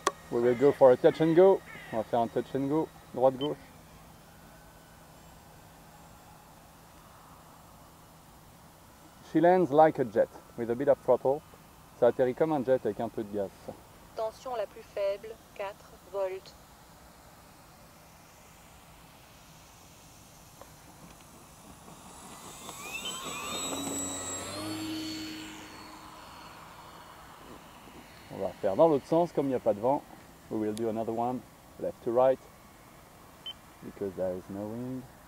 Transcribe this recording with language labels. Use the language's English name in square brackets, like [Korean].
[English] We will go for a touch and go. [French] On va faire un touch and go, droite-gauche. [English] She lands like a jet, with a bit of throttle. [French] Ça atterrit comme un jet avec un peu de gaz. Tension la plus faible, 4 volts. On va faire dans l'autre sens, comme il n'y a pas de vent. [English] We will do another one. Left to right, because there is no wind.